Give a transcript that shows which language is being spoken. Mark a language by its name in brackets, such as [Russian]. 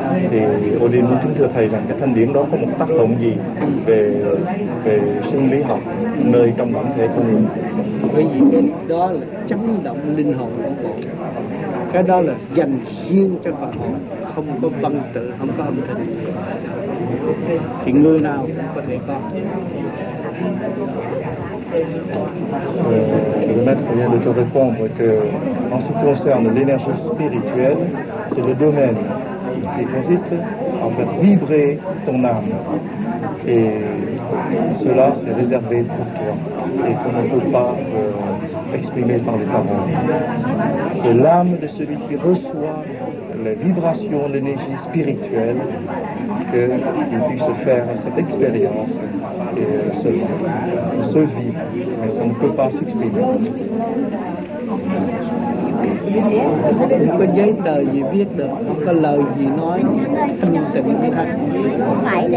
[Vietnamese] Thì Odin muốn kính thưa thầy rằng cái thanh điện đó có một tác động gì về sinh lý học nơi trong bản thể của mình? Bởi vì cái đó là chấn động linh hồn của Phật, cái đó là dành riêng cho Phật, không có văn tự, không có âm thanh, thì người nào cũng có thể có. [French] Le maître vient de te répondre que en ce qui concerne l'énergie spirituelle, c'est le domaine qui consiste en faire vibrer ton âme. Et cela, c'est réservé pour toi et qu'on ne peut pas exprimer par les paroles. C'est l'âme de celui qui reçoit les vibrations, l'énergie spirituelle, qu'il puisse faire cette expérience et se vit, mais ça ne peut pas s'exprimer. [Vietnamese] Không có giấy tờ gì viết được, không có lời gì nói, không thể nói gì hết.